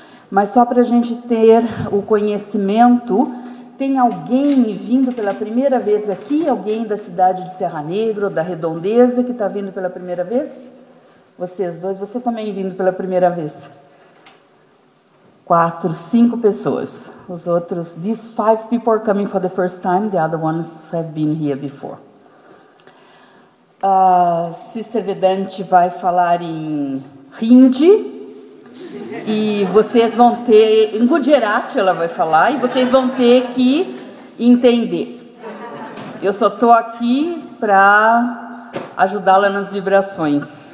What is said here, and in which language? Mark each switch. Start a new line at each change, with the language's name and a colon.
Portuguese: Mas só para a gente ter o conhecimento, tem alguém vindo pela primeira vez aqui? Alguém da cidade de Serra Negra, da Redondeza, que está vindo pela primeira vez? Vocês dois, você também vindo pela primeira vez? 4, 5 pessoas. Os outros,
English: these 5 people are coming for the first time, the other ones have been here before.
Portuguese: A Sister Vedante vai falar em Hindi. E vocês vão ter, em Gujarati ela vai falar, e vocês vão ter que entender. Eu só estou aqui para ajudá-la nas vibrações.